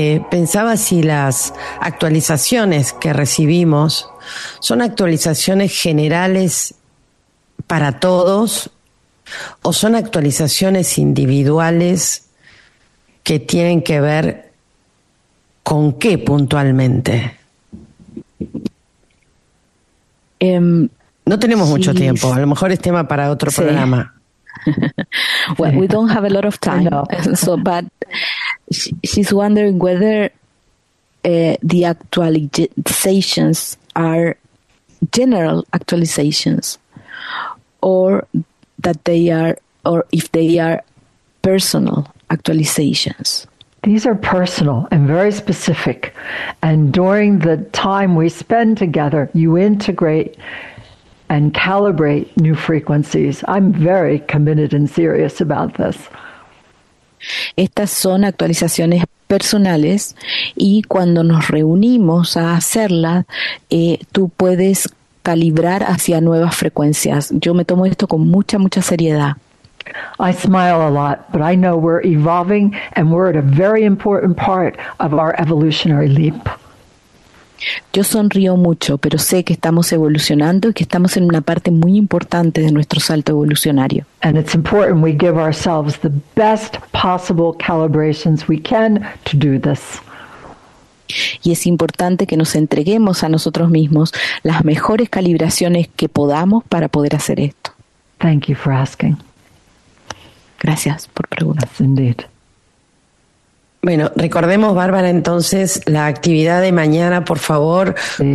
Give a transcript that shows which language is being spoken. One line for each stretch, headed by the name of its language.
Spanish: Pensaba si las actualizaciones que recibimos son actualizaciones generales para todos o son actualizaciones individuales que tienen que ver con qué puntualmente. No tenemos mucho tiempo, a lo mejor es tema para otro programa.
English: Well, we don't have a lot of time. No. So, but she's wondering whether the actualizations are general actualizations or that they are, or if they are personal actualizations. These are personal and very specific. And during the time we spend together, you integrate and calibrate new frequencies. I'm very committed and serious about this.
Spanish: Estas son actualizaciones personales y cuando nos reunimos a hacerlas, tú puedes calibrar hacia nuevas frecuencias. Yo me tomo esto con mucha, mucha seriedad.
English: I smile a lot, but I know we're evolving and we're at a very important part of our evolutionary leap.
Spanish: Yo sonrío mucho, pero sé que estamos evolucionando y que estamos en una parte muy importante de nuestro salto evolucionario.
English: And it's important we give ourselves the best possible calibrations we can to do this.
Spanish: Y es importante que nos entreguemos a nosotros mismos las mejores calibraciones que podamos para poder hacer esto.
English: Thank you for asking.
Spanish: Gracias por preguntar.
English: Yes, indeed.
Spanish: Bueno, recordemos, Bárbara, entonces, la actividad de mañana, por favor. Sí.